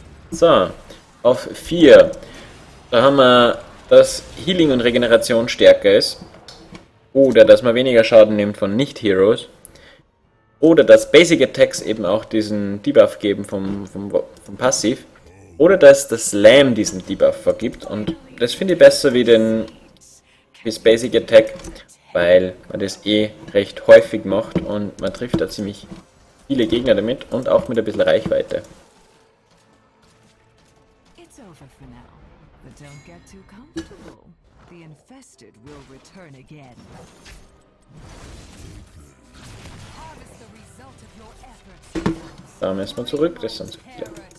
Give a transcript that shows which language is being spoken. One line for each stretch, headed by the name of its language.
German: So, auf 4. Da haben wir, dass Healing und Regeneration stärker ist, oder dass man weniger Schaden nimmt von Nicht-Heroes, oder dass Basic Attacks eben auch diesen Debuff geben vom Passiv, oder dass das Slam diesen Debuff vergibt, und das finde ich besser wie das Basic Attack, weil man das eh recht häufig macht und man trifft da ziemlich viele Gegner damit und auch mit ein bisschen Reichweite.
English: It's over for now. But don't get too comfortable. The infested will return again. Harvest the result of your efforts.
German: Da müssen wir zurück, das sind so viele.